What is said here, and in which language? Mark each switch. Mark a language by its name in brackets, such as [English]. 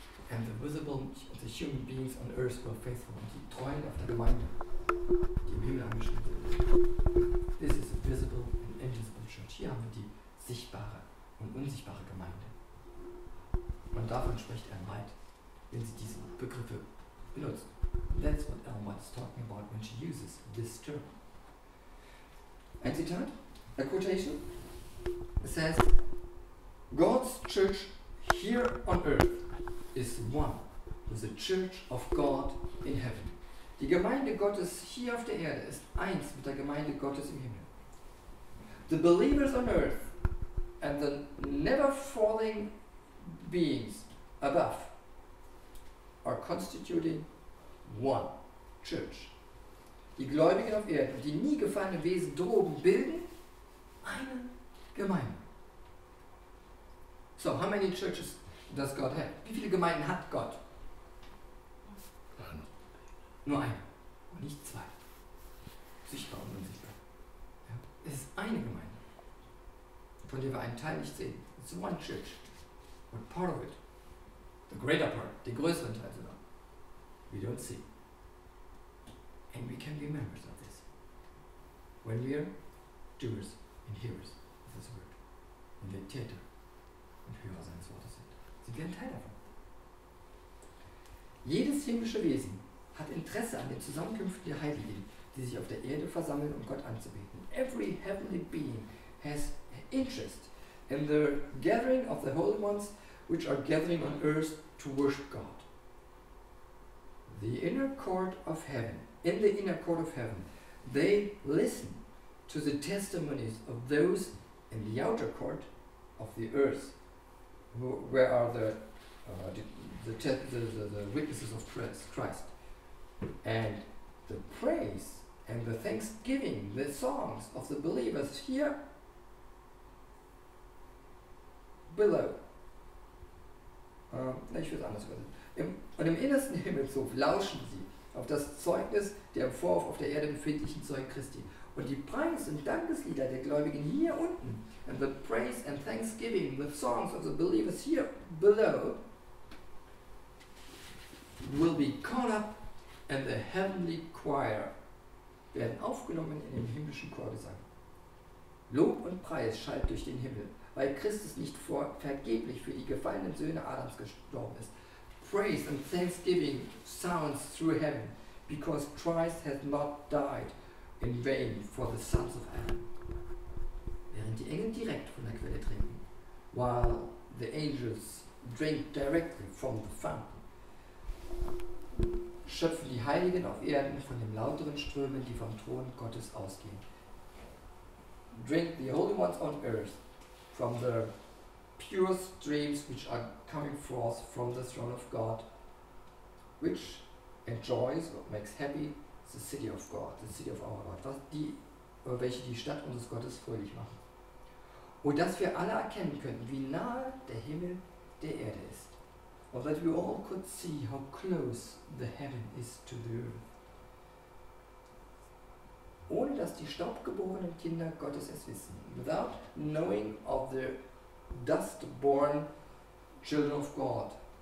[English] And the visible and the human beings on earth were faithful. [German] Und die Treuen auf der Gemeinde, die im Himmel angeschrieben sind. [English] This is a visible and invisible church. [German] Hier haben wir die sichtbare und unsichtbare Gemeinde. Und davon spricht Ellen White, wenn sie diese Begriffe benutzt. [English] That's what Ellen White is talking about when she uses this term. [German] Ein Zitat, [English] a quotation, says, God's church here on earth is one with the church of God in heaven. [German] Die Gemeinde Gottes hier auf der Erde ist eins mit der Gemeinde Gottes im Himmel. [English] The believers on earth and the never falling beings above are constituting one church. [German] Die Gläubigen auf Erden, die nie gefallenen Wesen droben, bilden eine Gemeinde. [English] So, how many churches does God have? [German] Wie viele Gemeinden hat Gott? Nur eine. Und nicht zwei. Sichtbar und unsichtbar. Ja. Es ist eine Gemeinde, von der wir einen Teil nicht sehen. [English] It's one church. But part of it, the greater part, [German] den größeren Teil sogar, [English] we don't see. And we can be members of this. When we are doers and hearers of this word. [German] Und wir Täter und Hörer seines Wortes sind. Sind wir ein Teil davon. Jedes himmlische Wesen hat Interesse an den Zusammenkünften der Heiligen, die sich auf der Erde versammeln, um Gott anzubeten. [English] Every heavenly being has interest in the gathering of the holy ones which are gathering on earth to worship God. The inner court of heaven, in the inner court of heaven, they listen to the testimonies of those in the outer court of the earth, where are the witnesses of Christ. And the praise and the thanksgiving, the songs of the believers here below. [German] Ich würde es anders wissen. Und im innersten Himmelshof lauschen sie auf das Zeugnis der im Vorhof auf der Erde befindlichen Zeugen Christi. Und die Preis- und Dankeslieder der Gläubigen hier unten, [English] and the praise and thanksgiving, the songs of the believers here below, will be caught up in the heavenly choir, [German] werden aufgenommen in den himmlischen Chorgesang. Lob und Preis schallt durch den Himmel, weil Christus nicht vergeblich für die gefallenen Söhne Adams gestorben ist. [English] Praise and thanksgiving sounds through heaven, because Christ has not died in vain for the sons of Adam. [German] Während die Engel direkt von der Quelle trinken, [English] while the angels drink directly from the fountain, [German] schöpfen die Heiligen auf Erden von den lauteren Strömen, die vom Thron Gottes ausgehen. [English] Drink the holy ones on earth from the pure streams which are coming forth from the throne of God, which enjoys or makes happy the city of God, the city of our God, [German] welche die Stadt unseres Gottes fröhlich machen. Und dass wir alle erkennen können, wie nahe der Himmel der Erde ist. [English] Or that we all could see how close the heaven is to the earth. [German] Ohne dass die staubgeborenen Kinder Gottes es wissen. [English] Without knowing of the dust-born children of God.